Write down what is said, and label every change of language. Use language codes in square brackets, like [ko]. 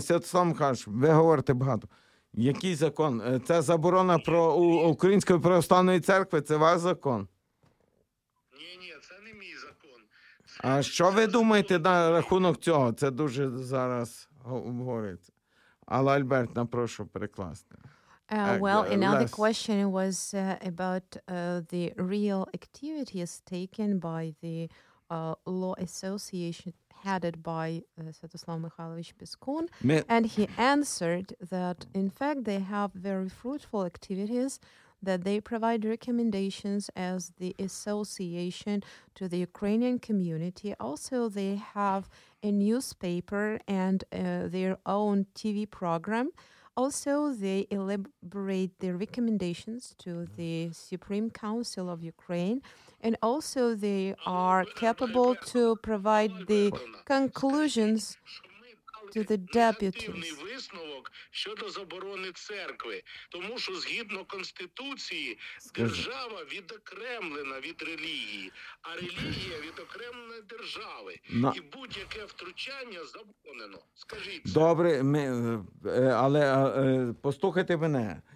[uk] Святослав Михайлович, ви говорите багато. Який закон? Це заборона про Української православної церкви? Це ваш закон? Ні, це не мій закон. А що ви думаєте на рахунок цього? Це дуже зараз обговорюється. Алла Альбертна, прошу перекласти. [en] Another question was about the real activities taken by the law association headed by Svetoslav Mikhailovich Piskun. And he answered that, in fact, they have very fruitful activities, that they provide recommendations as the association to the Ukrainian community. Also, they have a newspaper and their own TV program. Also, they elaborate their recommendations to the Supreme Council of Ukraine. And also, they are capable to provide the conclusions to the deputies. [uk] Висновок щодо заборони церкви, тому що згідно Конституції держава відокремлена від релігії, а релігія відокремлена від держави, і будь-яке втручання заборонено. Скажіть. Добре, послухайте мене.